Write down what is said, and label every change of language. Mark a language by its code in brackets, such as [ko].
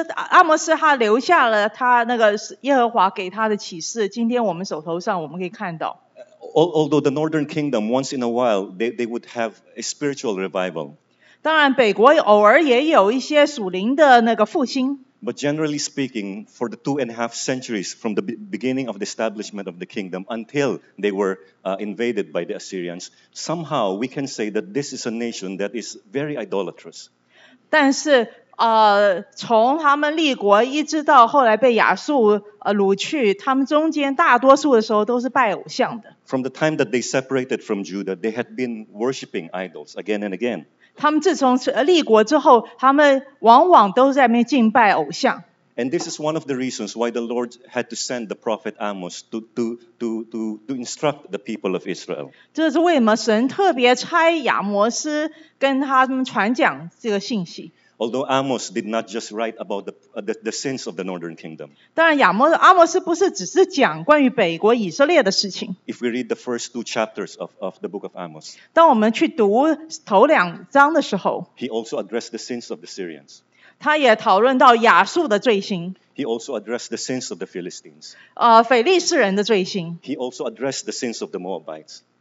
[zh] 阿摩斯他留下了他那个耶和华给他的启示，今天我们手头上我们可以看到。 [en] Although the Northern Kingdom once in a while they would have a spiritual revival. [zh] 当然，北国偶尔也有一些属灵的那个复兴。 [en] But generally speaking, for the 2.5 centuries from the beginning of the establishment of the kingdom until they were invaded by the Assyrians, somehow we can say that this is a nation that is very idolatrous. [zh] 但是，从他们立国一直到后来被亚述掳去，他们中间大多数的时候都是拜偶像的。 [en] From the time that they separated from Judah, they had been worshiping idols again and again. [zh] 他们自从立国之后，他们往往都在那边敬拜偶像。 [en] And this is one of the reasons why the Lord had to send the prophet Amos to instruct the people of Israel. [zh] 这是为什么神特别差亚摩斯跟他们传讲这个信息。 [en] Although Amos did not just write about the sins of the northern kingdom. [zh] 当然阿摩斯不是只是讲关于北国以色列的事情。 [en] If we read the first two chapters of the book of Amos. [zh] 当我们去读头两章的时候。 [en] He also addressed the sins of the Syrians. [zh] 他也讨论到亚述的罪行。 [en] He also addressed the sins of the Philistines. [zh] 腓力斯人的罪行。 [en] He also addressed the sins of the Moabites.